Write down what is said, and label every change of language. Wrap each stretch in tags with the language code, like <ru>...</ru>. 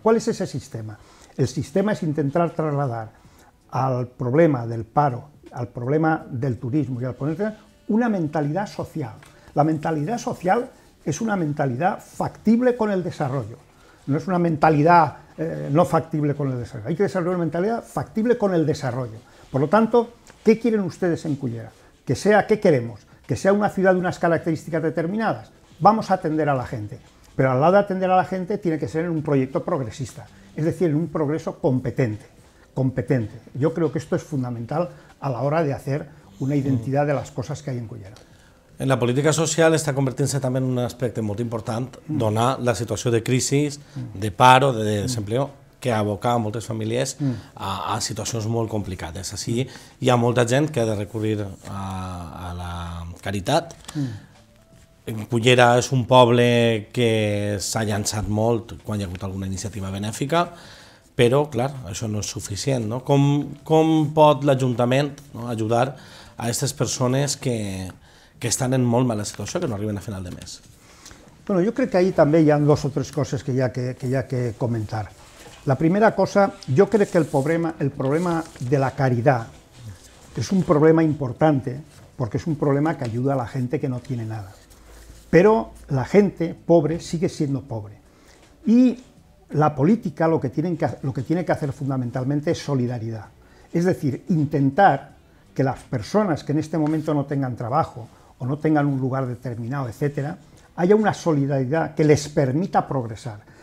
<ca>Qual és aquest sistema? El sistema és intentar traslladar al problema del paro, al problema del turisme i al problema una mentalitat social. La mentalitat social és una mentalitat factible</ca> <es>con el desarrollo.</es> <ca>No és una mentalitat no factible</ca> <es>con el desarrollo. Hay que desarrollar una mentalitat factible con el desarrollo. Por lo tanto, ¿qué quieren ustedes en Cullera? Que sea, ¿qué queremos? Que sea una ciudad de unas características determinadas. Vamos a atender a la gente. Pero al lado de atender a la gente, tiene que ser en un proyecto progresista. Es decir, en un progreso competente. Competente. Yo creo que esto es fundamental a la hora de hacer una identidad de las cosas que hay en Cullera.</es> <ca>En la política social està convertint-se també en un aspecte molt important, donar la situació de crisi, de paro, de desempleo, que aboca a moltes famílies a situacions molt complicades. Així hi ha molta gent que ha de recurrir a la caritat. Cullera és un poble que s'ha llançat molt quan hi ha hagut alguna iniciativa benèfica, però, clar, això no és suficient. No? Com pot l'Ajuntament no, ajudar a aquestes persones que estan en molt mala situació, que no arriben a final de mes? Bueno, jo crec que ahí també hi ha dos o tres coses que hi ha que comentar. La primera cosa, jo crec que el problema de la caridad és un problema importante, perquè és un problema que ajuda a la gent que</ca> <es>no tiene nada.</es> <ca>Però la gent pobre</ca> <es>sigue siendo</es> <ca>pobre.</ca> <es>I la política lo que tiene que hacer fundamentalmente es solidaridad. Es decir, intentar que las personas que en este momento no tengan trabajo o no tengan un lugar determinado, etc., haya una solidaridad que les permita progresar.</es>